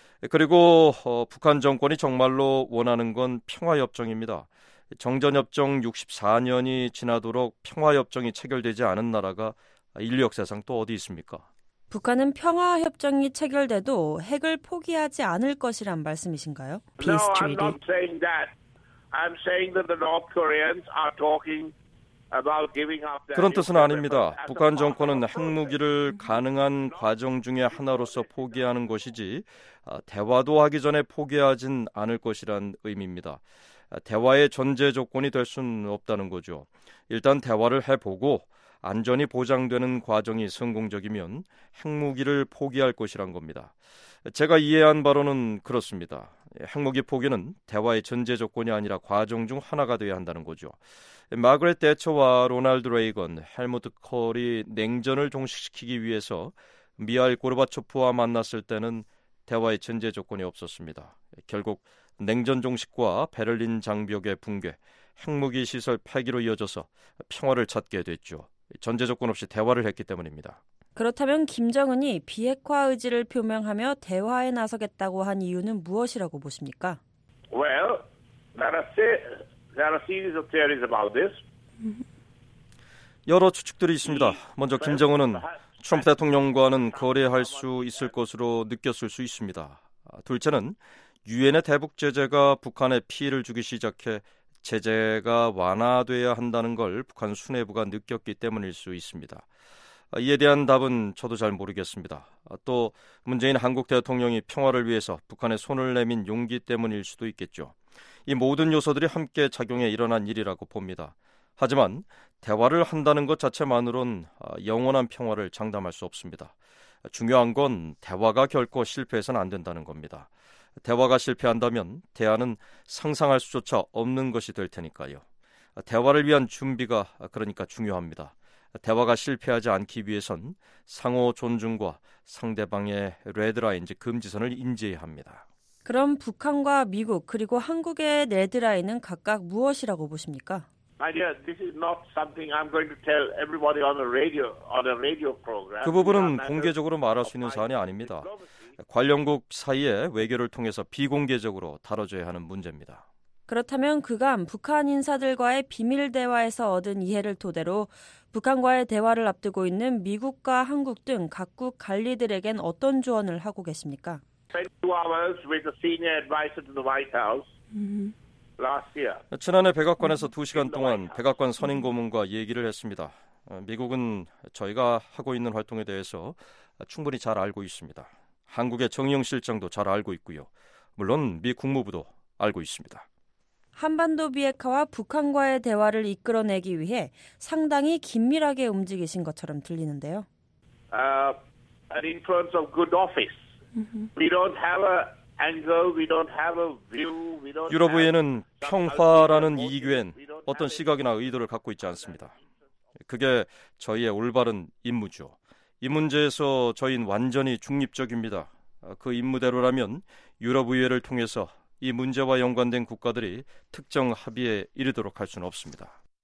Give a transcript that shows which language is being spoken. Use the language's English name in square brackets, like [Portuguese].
[Korean] 그리고 북한 정권이 정말로 원하는 건 평화협정입니다. 정전협정 64년이 지나도록 평화협정이 체결되지 않은 나라가 인류 역사상 또 어디 있습니까? 북한은 평화협정이 체결돼도 핵을 포기하지 않을 것이란 말씀이신가요? [English] Peace Treaty. No, I'm not saying that. I'm saying that the North Koreans are talking about giving up their... [Korean] 그런 뜻은 아닙니다. 북한 정권은 핵무기를 가능한 과정 중에 하나로서 포기하는 것이지 대화도 하기 전에 포기하진 않을 것이란 의미입니다. 대화의 전제 조건이 될 수는 없다는 거죠. 일단 대화를 해보고 안전이 보장되는 과정이 성공적이면 핵무기를 포기할 것이란 겁니다. 제가 이해한 바로는 그렇습니다. 핵무기 포기는 대화의 전제 조건이 아니라 과정 중 하나가 되어야 한다는 거죠. 마그렛 대처와 로널드 레이건, 헬무트 콜이 냉전을 종식시키기 위해서 미하일 고르바초프와 만났을 때는 대화의 전제 조건이 없었습니다. 결국 냉전 종식과 베를린 장벽의 붕괴, 핵무기 시설 폐기로 이어져서 평화를 찾게 됐죠. 전제 조건 없이 대화를 했기 때문입니다. 그렇다면 김정은이 비핵화 의지를 표명하며 대화에 나서겠다고 한 이유는 무엇이라고 보십니까? [English] Well, there are series of theories about this. [Korean] 여러 추측들이 있습니다. 먼저 김정은은 트럼프 대통령과는 거래할 수 있을 것으로 느꼈을 수 있습니다. 둘째는 유엔의 대북 제재가 북한에 피해를 주기 시작해 제재가 완화되어야 한다는 걸 북한 수뇌부가 느꼈기 때문일 수 있습니다. 이에 대한 답은 저도 잘 모르겠습니다. 또 문재인 한국 대통령이 평화를 위해서 북한에 손을 내민 용기 때문일 수도 있겠죠. 이 모든 요소들이 함께 작용해 일어난 일이라고 봅니다. 하지만 대화를 한다는 것 자체만으로는 영원한 평화를 장담할 수 없습니다. 중요한 건 대화가 결코 실패해서는 안 된다는 겁니다. 대화가 실패한다면 대안은 상상할 수조차 없는 것이 될 테니까요. 대화를 위한 준비가 그러니까 중요합니다. 대화가 실패하지 않기 위해선 상호 존중과 상대방의 레드라인, 즉 금지선을 인지해야 합니다. 그럼 북한과 미국 그리고 한국의 레드라인은 각각 무엇이라고 보십니까? [English] My dear, this is not something I'm going to tell everybody on a radio program. [Korean] 그 부분은 공개적으로 말할 수 있는 사안이 아닙니다. 관련국 사이의 외교를 통해서 비공개적으로 다뤄져야 하는 문제입니다. 그렇다면 그간 북한 인사들과의 비밀 대화에서 얻은 이해를 토대로 북한과의 대화를 앞두고 있는 미국과 한국 등 각국 관리들에겐 어떤 조언을 하고 계십니까? 지난해 백악관에서 2시간 동안 백악관 선임 고문과 얘기를 했습니다. 미국은 저희가 하고 있는 활동에 대해서 충분히 잘 알고 있습니다. 한국의 정의용 실장도 잘 알고 있고요. 물론 미 국무부도 알고 있습니다. 한반도 비핵화와 북한과의 대화를 이끌어내기 위해 상당히 긴밀하게 움직이신 것처럼 들리는데요. [English] An influence of good office. We don't have a angle, we don't have a view. [Korean] 유럽의회는 평화라는 이익엔 어떤 시각이나 의도를 갖고 있지 않습니다. 그게 저희의 올바른 임무죠. 이 문제에서 저희는 완전히 중립적입니다. 그 임무대로라면 유럽의회를 통해서 이 문제와 연관된 국가들이 특정 합의에 이르도록 할 수는 없습니다.